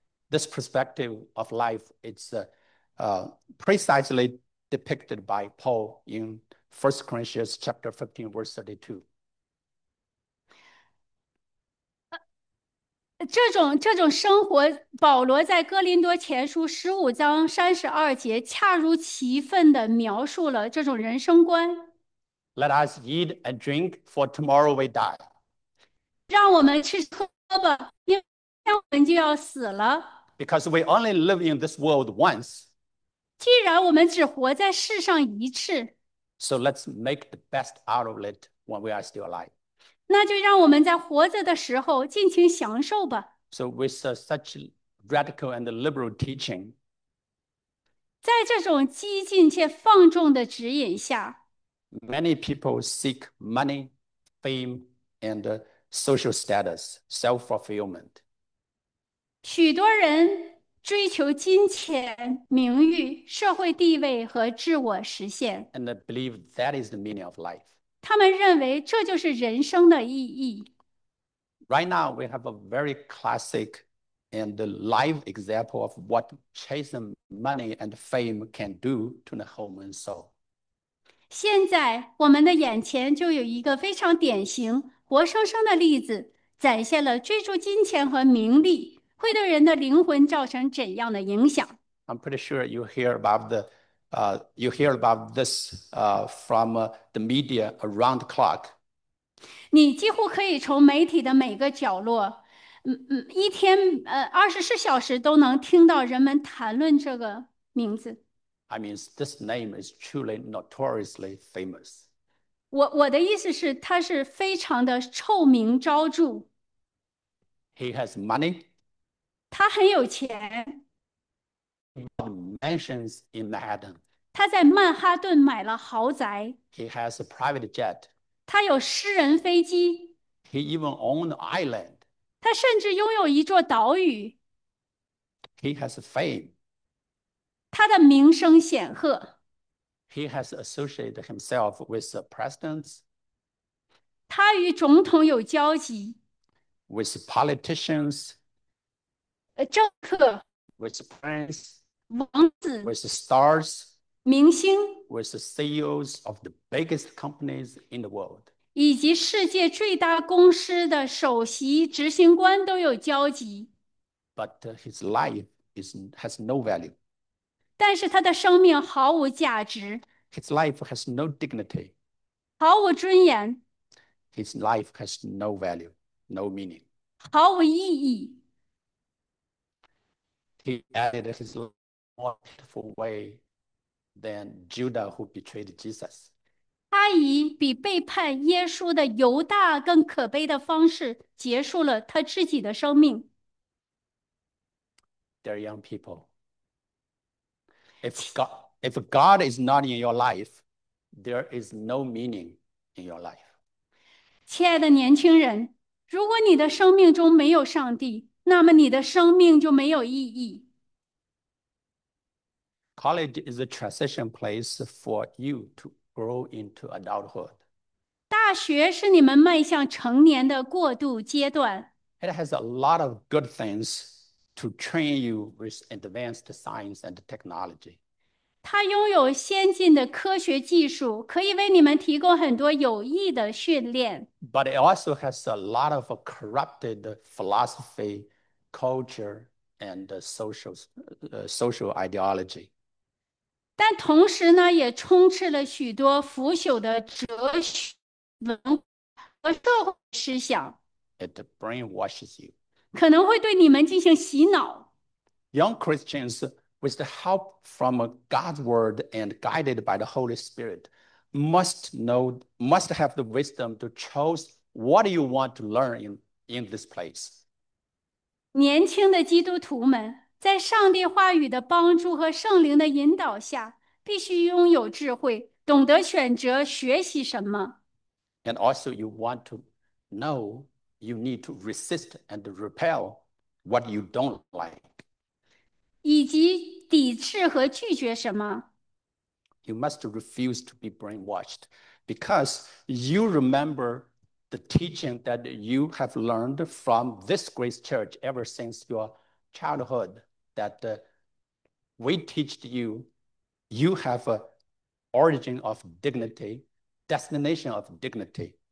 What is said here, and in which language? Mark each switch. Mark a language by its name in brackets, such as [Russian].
[English] This perspective of life is precisely depicted by Paul in 1 Corinthians chapter 15, verse 32. [Chinese] 这种生活，保罗在《哥林多前书》15章32节恰如其分地描述了这种人生观。 [English] Let us eat and drink, for tomorrow we die. [Chinese] 让我们吃喝吧，因为我们就要死了。 [English] Because we only live in this world once. [Chinese] 既然我们只活在世上一次， [English] So let's make the best out of it when we are still alive. [Chinese] 那就让我们在活着的时候尽情享受吧。 [English] So with such radical and liberal teaching, [Chinese] 在这种激进且放纵的指引下， [English] many people seek money, fame, and social status, self-fulfillment. [Chinese] 许多人追求金钱、名誉、社会地位和自我实现。 [English] And believe that is the meaning of life. [Chinese] 他们认为这就是人生的意义。 [English] Right now, we have a very classic and live example of what chasing money and fame can do to the human soul. [Chinese] 现在我们的眼前就有一个非常典型、活生生的例子，展现了追逐金钱和名利会对人的灵魂造成怎样的影响。 [English] I'm pretty sure you hear about this from the media around the clock. [Chinese] 你几乎可以从媒体的每个角落，一天24小时都能听到人们谈论这个名字。 [English] I mean, this name is truly notoriously famous. [Chinese] 我的意思是，他是非常的臭名昭著。 [English] He has money. [Chinese] 他很有钱。 [English] Mansions in Manhattan. [Chinese] 他在曼哈顿买了豪宅。 [English] He has a private jet. [Chinese] 他有私人飞机， [English] He even owned an island. [Chinese] 他甚至拥有一座岛屿， [English] He has fame. [Chinese] 他的名声显赫， [English] He has associated himself with the presidents, [Chinese] 他与总统有交集， [English] with politicians, [Chinese] 政客、 [English] with prince, [Chinese] 王子、 [English] with stars, [Chinese] 明星。 [English] with the CEOs of the biggest companies in the world. [Chinese] 以及世界最大公司的首席执行官都有交集， [English] But his life has no value. [Chinese] 但是他的生命毫无价值， [English] His life has no dignity. [Chinese] 毫无尊严， [English] His life has no value, no meaning. [Chinese] 毫无意义。 [English] He added his life more beautiful way than Judah who betrayed Jesus. [Chinese] 他以比背叛耶稣的犹大更可悲的方式结束了他自己的生命。 [English] Dear young people, if God is not in your life, there is no meaning in your life. [Chinese] 亲爱的年轻人，如果你的生命中没有上帝，那么你的生命就没有意义。 [English] College is a transition place for you to grow into adulthood. [Chinese] 大学是你们迈向成年的过渡阶段。 [English] It has a lot of good things to train you with advanced science and technology. [Chinese] 它拥有先进的科学技术，可以为你们提供很多有益的训练。 [English] But it also has a lot of corrupted philosophy, culture, and social ideology. [Chinese] 但同时呢，也充斥了许多腐朽的哲学。文化和社会思想 [English] It brainwashes you. [Chinese] 可能会对你们进行洗脑。 [English] Young Christians, with the help from God's word and guided by the Holy Spirit, must have the wisdom to choose what you want to learn in this place. [Chinese] 年轻的基督徒们，在上帝话语的帮助和圣灵的引导下，必须拥有智慧，懂得选择学习什么。 [English] And also, you want to know. You need to resist and repel what you don't like. [Chinese] 以及抵制和拒绝什么？ [English] You must refuse to be brainwashed because you remember the teaching that you have learned from this great church ever since your childhood, that we teach you have an origin of dignity, destination of dignity.